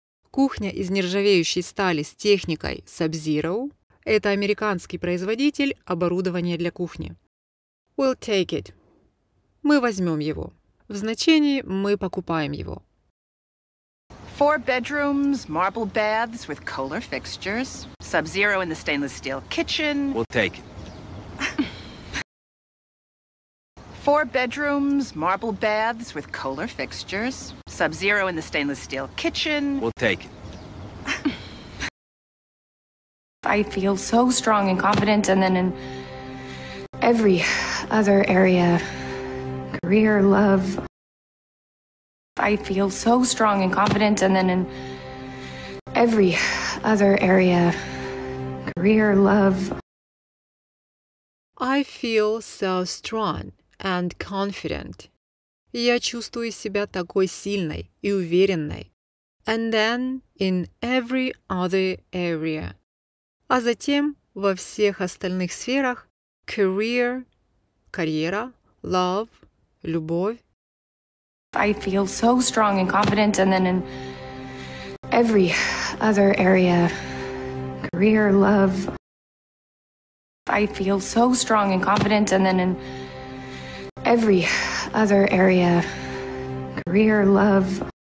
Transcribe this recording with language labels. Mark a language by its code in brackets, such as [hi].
[ru] Кухня из нержавеющей стали с техникой sub-zero. Это американский производитель оборудования для кухни. [en] We'll take it. [ru] Мы возьмем его. В значении мы покупаем его. [en] Four bedrooms, marble baths with Kohler fixtures, sub-zero in the stainless steel kitchen. We'll take it. Four bedrooms, marble baths with Kohler fixtures, sub-zero in the stainless steel kitchen. We'll take it. I feel so strong and confident, and then in every other area, career, love. I feel so strong and confident, and then in every other area, career, love. I feel so strong and confident. [ru] Я чувствую себя такой сильной и уверенной. [en] And then in every other area. [ru] А затем во всех остальных сферах career, карьера, love, любовь. [en] I feel so strong and confident, and then in every other area, career, love. I feel so strong and confident, and then in every other area, career, love.